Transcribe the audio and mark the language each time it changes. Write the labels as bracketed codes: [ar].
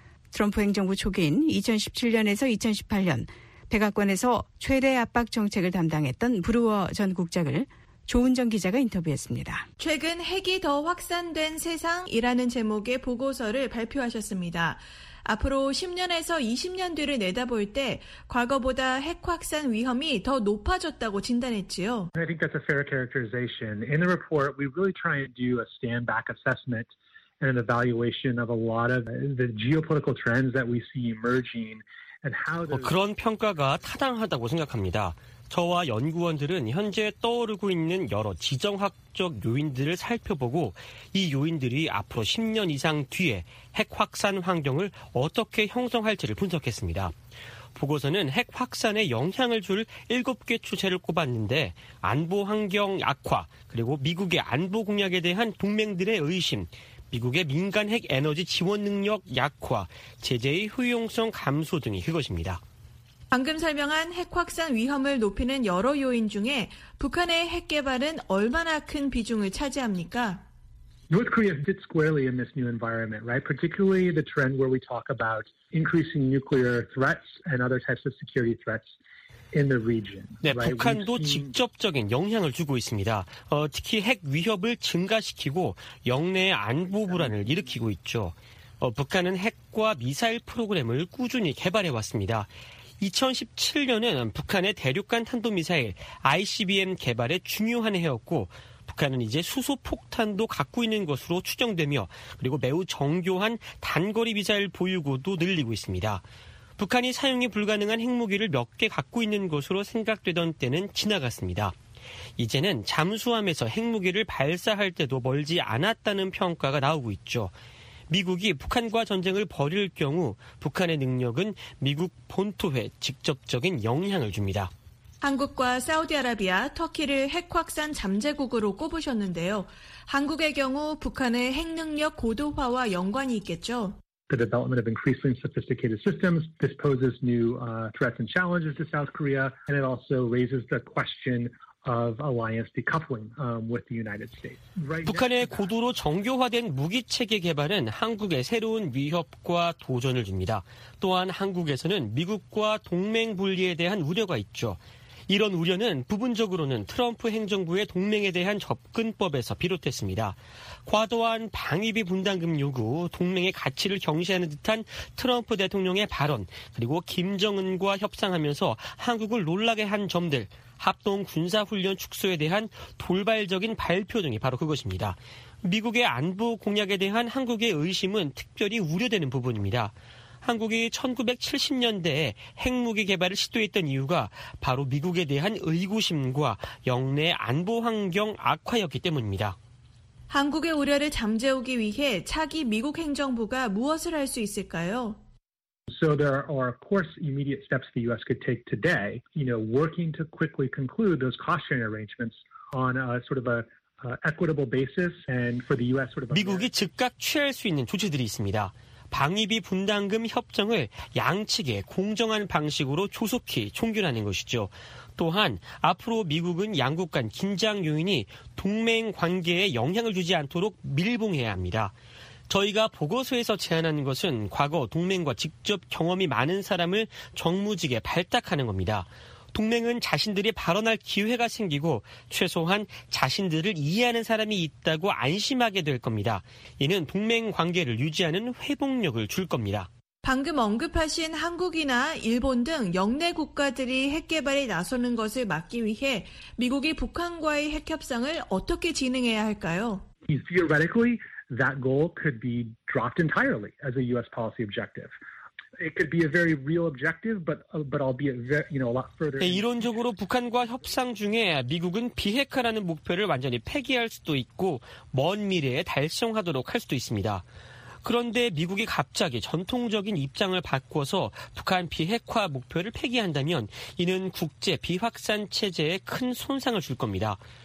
[ko] 트럼프 행정부 초기인 2017년에서 2018년 백악관에서 최대 압박 정책을 담당했던 브루어 전 국장을 조은정 기자가 인터뷰했습니다. 최근 핵이 더 확산된 세상이라는 제목의 보고서를 발표하셨습니다. 앞으로 10년에서 20년 뒤를 내다볼 때 과거보다 핵 확산 위험이 더 높아졌다고 진단했지요. [en] I think that's a fair characterization. In the report, we really try and do a stand back assessment and an evaluation of a lot of the geopolitical trends that we see emerging and how [ko] 그런 평가가 타당하다고 생각합니다. 저와 연구원들은 현재 떠오르고 있는 여러 지정학적 요인들을 살펴보고 이 요인들이 앞으로 10년 이상 뒤에 핵 확산 환경을 어떻게 형성할지를 분석했습니다. 보고서는 핵 확산에 영향을 줄 7개 추세를 꼽았는데 안보 환경 악화, 그리고 미국의 안보 공약에 대한 동맹들의 의심, 미국의 민간 핵 에너지 지원 능력 약화, 제재의 효용성 감소 등이 그것입니다. 방금 설명한 핵 확산 위험을 높이는 여러 요인 중에 북한의 핵 개발은 얼마나 큰 비중을 차지합니까? [en] North Korea fits squarely in this new environment, right? Particularly the trend where we talk about increasing nuclear threats and other types of security threats. In the region, 네, right? [ko] 북한도 직접적인 영향을 주고 있습니다. 특히 핵 위협을 증가시키고 영내 안보 불안을 일으키고 있죠. 북한은 핵과 미사일 프로그램을 꾸준히 개발해왔습니다. 2017년은 북한의 대륙간 탄도미사일 ICBM 개발의 중요한 해였고 북한은 이제 수소폭탄도 갖고 있는 것으로 추정되며 그리고 매우 정교한 단거리 미사일 보유고도 늘리고 있습니다. 북한이 사용이 불가능한 핵무기를 몇 개 갖고 있는 것으로 생각되던 때는 지나갔습니다. 이제는 잠수함에서 핵무기를 발사할 때도 멀지 않았다는 평가가 나오고 있죠. 미국이 북한과 전쟁을 벌일 경우 북한의 능력은 미국 본토에 직접적인 영향을 줍니다. 한국과 사우디아라비아, 터키를 핵 확산 잠재국으로 꼽으셨는데요. 한국의 경우 북한의 핵 능력 고도화와 연관이 있겠죠. [en] The development of increasingly sophisticated systems. This poses new threats and challenges to South Korea, and it also raises the question of alliance decoupling with the United States. Right. [ko] 북한의 고도로 정교화된 무기 체계 개발은 한국의 새로운 위협과 도전을 줍니다. 또한 한국에서는 미국과 동맹 분리에 대한 우려가 있죠. 이런 우려는 부분적으로는 트럼프 행정부의 동맹에 대한 접근법에서 비롯됐습니다. 과도한 방위비 분담금 요구, 동맹의 가치를 경시하는 듯한 트럼프 대통령의 발언, 그리고 김정은과 협상하면서 한국을 놀라게 한 점들, 합동 군사훈련 축소에 대한 돌발적인 발표 등이 바로 그것입니다. 미국의 안보 공약에 대한 한국의 의심은 특별히 우려되는 부분입니다. 한국이 1970년대에 핵무기 개발을 시도했던 이유가 바로 미국에 대한 의구심과 영내 안보 환경 악화였기 때문입니다. 한국의 우려를 잠재우기 위해 차기 미국 행정부가 무엇을 할 수 있을까요? [en] So there are of course immediate steps the US could take today, you know, working to quickly conclude those cost sharing arrangements on a sort of a equitable basis and for the US sort of [ko] 미국이 즉각 취할 수 있는 조치들이 있습니다. 방위비 분담금 협정을 양측의 공정한 방식으로 조속히 종결하는 것이죠. 또한 앞으로 미국은 양국 간 긴장 요인이 동맹 관계에 영향을 주지 않도록 밀봉해야 합니다. 저희가 보고서에서 제안하는 것은 과거 동맹과 직접 경험이 많은 사람을 정무직에 발탁하는 겁니다. 동맹은 자신들이 발언할 기회가 생기고 최소한 자신들을 이해하는 사람이 있다고 안심하게 될 겁니다. 이는 동맹 관계를 유지하는 회복력을 줄 겁니다. 방금 언급하신 한국이나 일본 등 역내 국가들이 핵 개발에 나서는 것을 막기 위해 미국이 북한과의 핵 협상을 어떻게 진행해야 할까요? [en] Theoretically, that goal could be dropped entirely as a US policy objective. It could be a very real objective, but albeit you know a lot further. [ko] 네, 이론적으로 북한과 협상 중에 미국은 비핵화라는 목표를 완전히 폐기할 수도 있고 먼 미래에 달성하도록 할 수도 있습니다. 그런데 미국이 갑자기 전통적인 입장을 바꿔서 북한 비핵화 목표를 폐기한다면 이는 국제 비확산 체제에 큰 손상을 줄 겁니다.